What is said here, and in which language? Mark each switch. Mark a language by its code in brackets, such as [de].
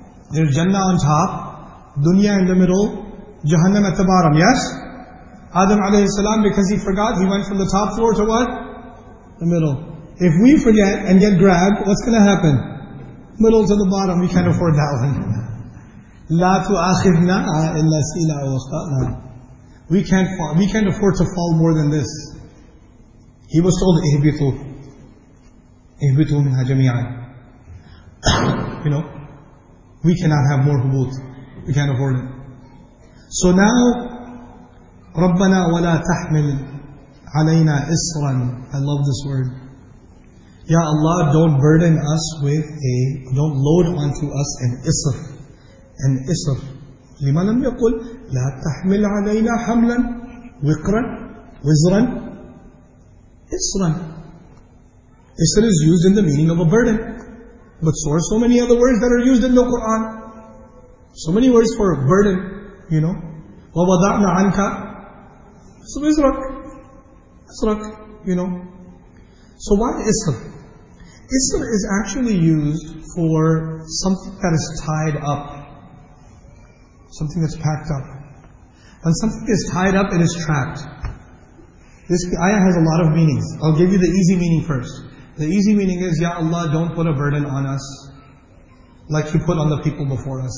[en] There's Jannah on top, dunya in the middle, Jahannam at the bottom. Yes? Adam alayhi salam, because he forgot, he went from the top floor to what? The middle. If we forget and get grabbed, what's going to happen? Middle to the bottom, we can't afford that one. [ar] لا تؤاخذنا إن نسينا أو أخطأنا. [en] We can't afford to fall more than this. He was told, اهبطوا. [ar] اهبطوا منها جميعا. [en] You know, we cannot have more hubut. We can't afford it. So now, [ar] ربنا ولا تحمل علينا إصرا. [en] I love this word. Ya Allah, don't burden us with a, don't load onto us an isr. An isr. [ar] لما لم يقول لا تحمل علينا حملا وقرا وزرا اسرا. [en] Isr is used in the meaning of a burden. But so are so many other words that are used in the Quran. So many words for burden, you know. [ar] ووضعنا عنك وزرك اسرك, [en] you know. So why isr? Isr is actually used for something that is tied up. Something that's packed up. When something is tied up, it is trapped. This ayah has a lot of meanings. I'll give you the easy meaning first. The easy meaning is, Ya Allah, don't put a burden on us like you put on the people before us.